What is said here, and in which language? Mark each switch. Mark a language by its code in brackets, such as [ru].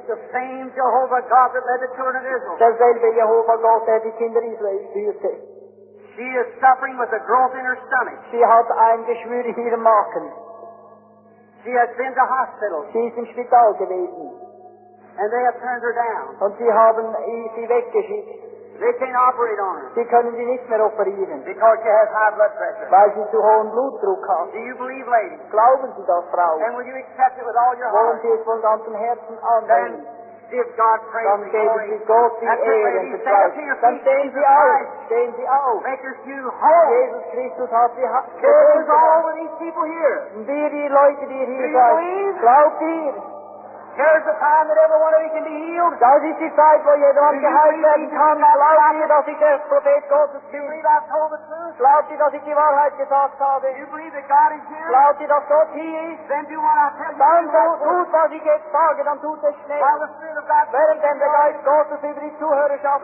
[en] The same Jehovah God that led the children of Israel. [de] Derselbe Jehovah Gott, der die Kinder Israels führte. [en] She is suffering with a growth in her stomach. [de] Sie hat ein Geschwür in ihrem Magen. [en] She has been to hospital. [de] Sie ist im Spital gewesen. [en] And they have turned her down. [de] Und sie haben sie weggeschickt. [en] They can't operate on her. [de] Sie können sie nicht mehr operieren. [en] Because she has high blood pressure. [de] Weil sie zu hohen Blutdruck hat. [en] Do you believe, lady? [de] Glauben Sie das, Frau? [en] And will you accept it with all your heart? [de] Wollen Sie es von ganzem Herzen annehmen? [en] Then give God praise. [de] Dann geben Sie Gott die Ehre und die Preise. Dann stehen Sie auf. Stehen Sie auf. [en] Make you whole. [de] Jesus Christus hat die Heilung. [en] This is all with these people here. [de] Wir, die Leute, die hier sind. [en] Do you believe? [de] Glaubt ihr? [en] Here's the time that every one of you can be healed. [de] Das ist die Zeit, wo jeder an Geheimnissen kann. Glaubt ihr, dass ich der Prophet Gottes bin? Glaubt ihr, dass ich die Wahrheit gesagt habe? Glaubt ihr, dass Gott hier ist? [en] Then do what I tell you. [de] Dann tut, was ich jetzt sage, dann tut es schnell. Während denn der Geist Gottes über die Zuhörerschaft